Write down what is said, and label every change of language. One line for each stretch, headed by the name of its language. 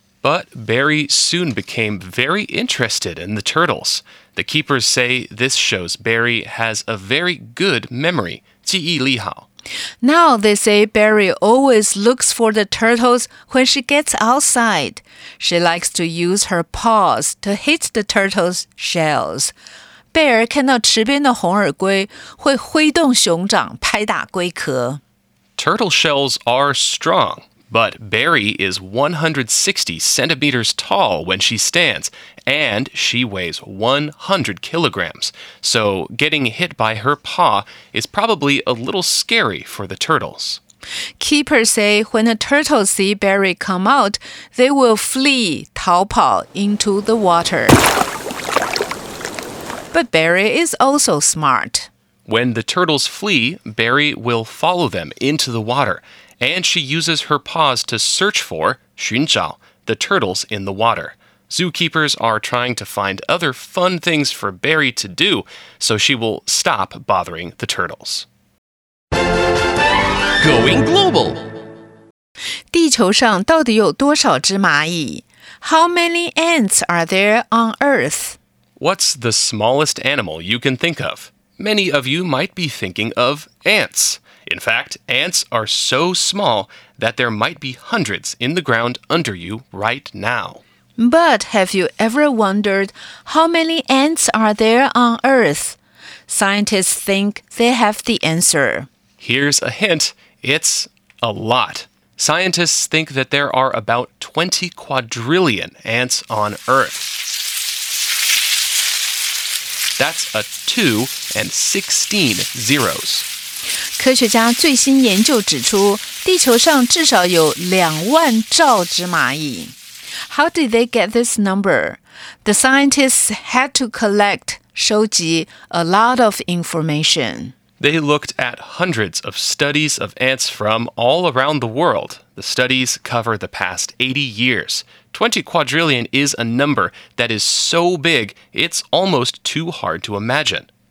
English: But Barry soon became very interested in the turtles. The keepers say this shows Barry has a very good memory,
Chinese: 记忆力好.
English: Now they say Barry always looks for the turtles when she gets outside. She likes to use her paws to hit the turtles' shells.
Chinese: 贝尔看到池边的红耳龟会挥动熊掌拍打龟壳。
English: Turtle shells are strong, but Barry is 160 centimeters tall when she stands, and she weighs 100 kilograms. So getting hit by her paw is probably a little scary for the turtles. Keepers say when a turtle sees Barry come out, they will flee,
Chinese: 逃跑,
English: into the water. But Barry is also smart. When the turtles flee, Barry will follow them into the water, and she uses her paws to search for,
Chinese: 寻找,
English: the turtles in the water. Zookeepers are trying to find other fun things for Barry to do, so she will stop bothering the turtles. Going global.
Chinese: 地球上到底有多少只蚂蚁?
English: How many ants are there on Earth? What's the smallest animal you can think of? Many of you might be thinking of ants. In fact, ants are so small that there might be hundreds in the ground under you right now. But have you ever wondered how many ants are there on Earth? Scientists think they have the answer. Here's a hint. It's a lot. Scientists think that there are about 20 quadrillion ants on Earth. That's a 2 and 16 zeros.
Chinese: 科学家最新研究指出，地球上至少有两万兆只蚂蚁。
English: How did they get this number? The scientists had to collect,
Chinese: 收集,
English: a lot of information. They looked at hundreds of studies of ants from all around the world. The studies cover the past 80 years. 20 quadrillion is a number that is so big, it's almost too hard to imagine.